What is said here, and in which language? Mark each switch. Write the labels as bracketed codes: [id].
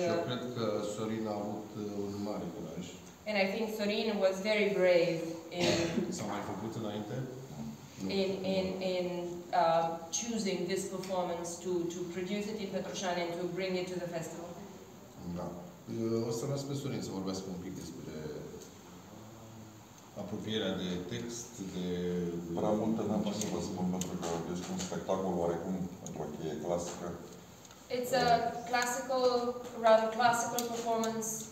[ro] eu cred că Sorin a avut un mare curaj. [en] And I think Sorin was very brave in [ro] s-a mai făcut înainte? [en] in choosing this performance to produce it in Petroșani and to bring it to the festival. [ro] Da. O să las pe Sorin să vorbească un pic despre apropierea de text, de... Prea multe n-am ce să vă spun, pentru că este un spectacol oarecum într-o cheie clasică. [en] It's a classical, rather classical performance.